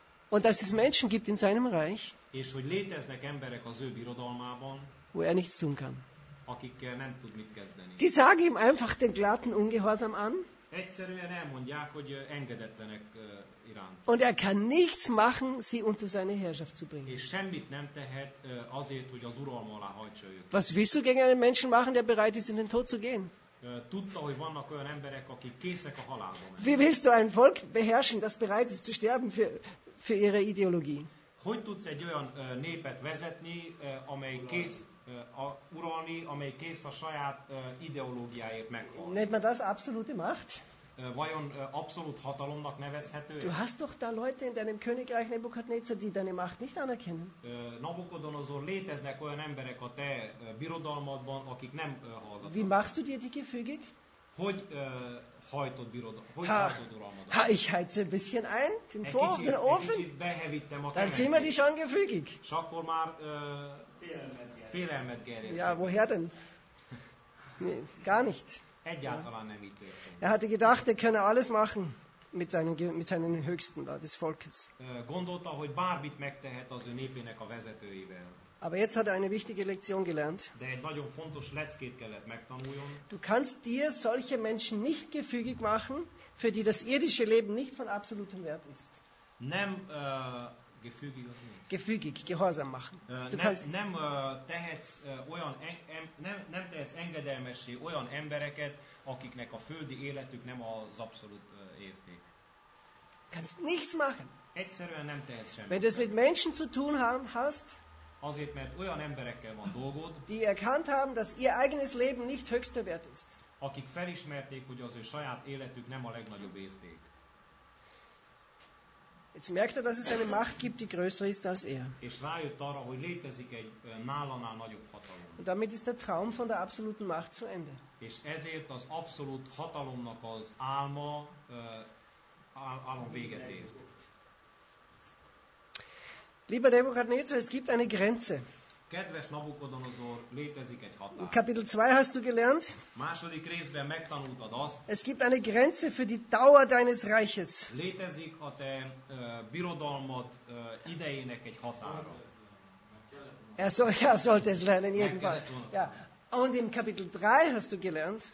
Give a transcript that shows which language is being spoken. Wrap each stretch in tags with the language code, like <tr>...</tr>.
<de>Und dass es Menschen gibt in seinem Reich.</de> <hu>És hogy léteznek emberek az ő birodalmában.</hu> <de>Wo er nichts tun kann.</de> <hu>Akikkel nem tud mit kezdeni.</hu> <de>Die sagen ihm einfach den glatten Ungehorsam an.</de> <hu>Egyszerűen elmondják, hogy engedetlenek iránt.</hu> <de>Und er kann nichts machen, sie unter seine Herrschaft zu bringen.</de> <hu>És semmit nem tehet azért, hogy az uralma alá hajtsa őket.</hu> <de>Was willst du gegen einen Menschen machen, der bereit ist, in den Tod zu gehen?</de> <hu>Tudta, hogy vannak olyan emberek, akik készek a halálba menni.</hu> <de>Wie willst du ein Volk beherrschen, das bereit ist zu sterben für ihre Ideologie?</de> <hu>Hogy tudsz egy olyan népet vezetni, amely kész uralni, amely kész a saját ideológiáért meghalni?</hu> <de>Nennt man das absolute Macht?</de> <hu>Vajon abszolút hatalomnak nevezhető?</hu> <de>Du hast doch da Leute in deinem Königreich Nebukadnezar, die deine Macht nicht anerkennen.</de> <hu>Nabukodonozor, léteznek olyan emberek a te birodalmadban, akik nem hallgatnak.</hu> <de>Wie machst du dir die gefügig?</de> <hu>Hogy hajtod uralmadat?</hu> <de>Ha, ich heize ein bisschen ein, den vorigen Ofen, dann sind wir dich schon gefügig.</de> <hu>És akkor már félelmet</hu> <de>gerjesztek. Ja, woher denn? Nee, gar nicht.</de> <hu>Egyáltalán nem így történt.</hu> <de>Er hatte gedacht, er könne alles machen mit seinen Höchsten da, des Volkes.</de> <hu>Gondolta, hogy bármit megtehet az ő népének a vezetőivel.</hu> <de>Aber jetzt hat er eine wichtige Lektion gelernt.</de> <hu>De egy nagyon fontos leckét kellett megtanuljon.</hu> <de>Du kannst dir solche Menschen nicht gefügig machen, für die das irdische Leben nicht von absolutem Wert ist.</de> <hu>Nem gefügig az nincs.</hu> <de>Gefügig, gehorsam machen.</de> <hu>Nem tehetsz engedelmessé olyan embereket, akiknek a földi életük nem az abszolút érték.</hu> <de>Kannst nichts machen.</de> <hu>Egyszerűen nem tehetsz semmit.</hu> <de>Wenn du es mit Menschen zu tun hast,</de> <hu>azért, mert olyan emberekkel van dolgod,</hu> <de>die erkannt haben, dass ihr eigenes Leben nicht höchster Wert ist.</de> <hu>Akik felismerték, hogy az ő saját életük nem a legnagyobb érték.</hu> <de>Jetzt merkt er, dass es eine Macht gibt, die größer ist als er.</de> <hu>És rájött arra, hogy létezik egy nálánál nagyobb hatalom.</hu> <de>Und damit ist der Traum von der absoluten Macht zu Ende.</de> <hu>És ezért az abszolút hatalomnak az álma álom véget ért.</hu> <de>Lieber Nebukadnezar, es gibt eine Grenze.</de> <hu>Kedves Nabukodonozor, létezik egy határ.</hu> <de>Kapitel 2 hast du gelernt.</de> <hu>Második részben megtanultad azt.</hu> <de>Es gibt eine Grenze für die Dauer deines Reiches.</de> <hu>Létezik a te birodalmad idejének egy határa.</hu> <de>Sollte es lernen irgendwann. Ja. Und im Kapitel 3 hast du gelernt.</de>